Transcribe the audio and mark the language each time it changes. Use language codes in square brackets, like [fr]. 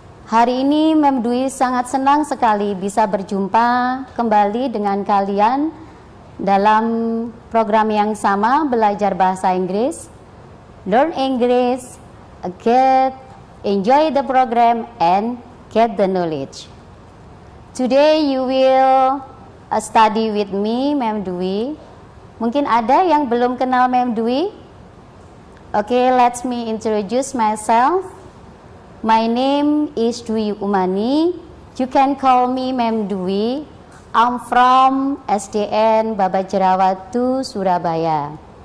[id] Hari ini Mem Dwi sangat senang sekali bisa berjumpa kembali dengan kalian dalam program yang sama, Belajar Bahasa Inggris, [en] Learn English, Get Enjoy the Program, and Get the Knowledge. Today you will study with me, Mem Dwi. [id] Mungkin ada yang belum kenal Mem Dwi? [en] Okay, let me introduce myself. My name is Dwi Umani. You can call me Mem Dwi. I'm from SDN Babat Jerawat 2, Surabaya.